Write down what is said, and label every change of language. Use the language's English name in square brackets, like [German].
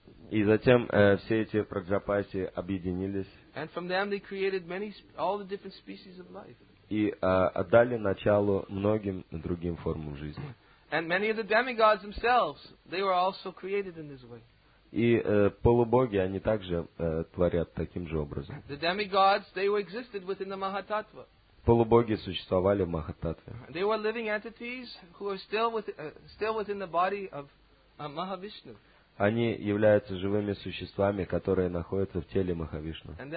[Russian] И затем все эти праджапати объединились. [English] And from them they created many all the different species of life. [Russian] И отдали начало многим другим формам жизни. [English] And many of the demigods themselves, they were also created in this way. [Russian] И полубоги они также творят таким же образом. [English] The demigods, they were existed within the Mahatattva. [Russian] Полубоги существовали в Махататве. [English] They were living entities who are still within the body of Mahavishnu. [Russian] Они являются живыми существами, которые находятся в теле Махавишну.